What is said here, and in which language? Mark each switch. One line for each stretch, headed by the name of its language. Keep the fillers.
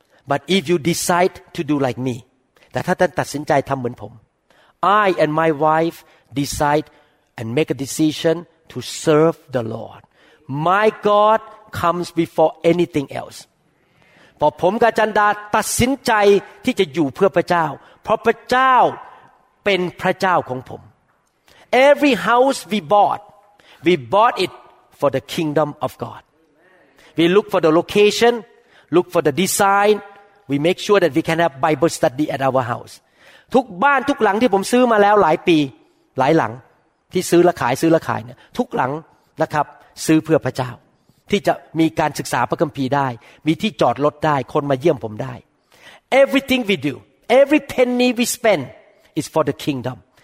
English: but if you decide to do like me
Thai: แต่ถ้าท่านตัดสินใจทำเหมือนผม
English: I and my wife decide and make a decision to serve the Lord my God comes before anything else
Thai: พอผมกาจันดาตัดสินใจที่จะอยู่เพื่อพระเจ้า เพราะพระเจ้าเป็นพระเจ้าของผม
English: every house we bought, we bought it for the kingdom of God. We look for the location, look for the design, we make sure that we can have Bible study at our house.
Thai: ทุกบ้านทุกหลังที่ผมซื้อมาแล้วหลายปีหลายหลังที่ซื้อและขายซื้อและขายเนี่ยทุกหลังนะครับซื้อเพื่อพระเจ้า ที่จะมีการศึกษาพระคัมภีร์ได้ มีที่จอดรถได้คนมาเยี่ยมผมได้
English: Everything we do, every penny we spend is for the kingdom.